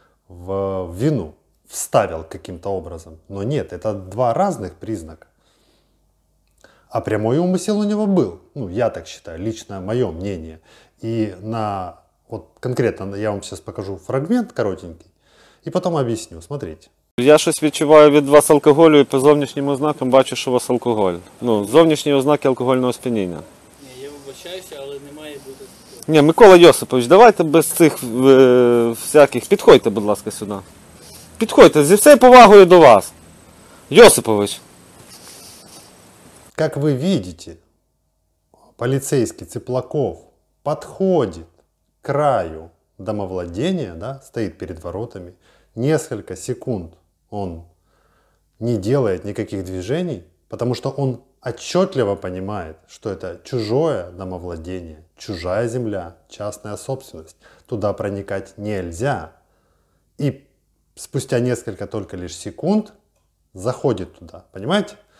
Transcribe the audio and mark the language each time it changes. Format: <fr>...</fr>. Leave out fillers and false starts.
<ru>в вину вставил каким-то образом. Но нет, это два разных признака. А прямой умысел у него был. Ну, я так считаю, лично мое мнение. И на вот конкретно я вам сейчас покажу фрагмент коротенький и потом объясню. Смотрите.</ru> <uk>Я щось відчуваю від вас алкоголю і по зовнішнім ознакам бачу, що у вас алкоголь. Ну, зовнішні ознаки алкогольного сп'яніння. Ні, я вибачаюся, але немає бути. Ні, Микола Йосипович, давайте без цих всяких. Підходьте, будь ласка, сюди. Підходьте, зі всією повагою до вас. Йосипович. Як ви бачите, поліцейський Циплаков підходить к краю домовладіння, да, стоїть перед воротами.</uk> <ru>Несколько секунд он не делает никаких движений, потому что он отчетливо понимает, что это чужое домовладение, чужая земля, частная собственность. Туда проникать нельзя. И спустя несколько только лишь секунд заходит туда. Понимаете?</ru>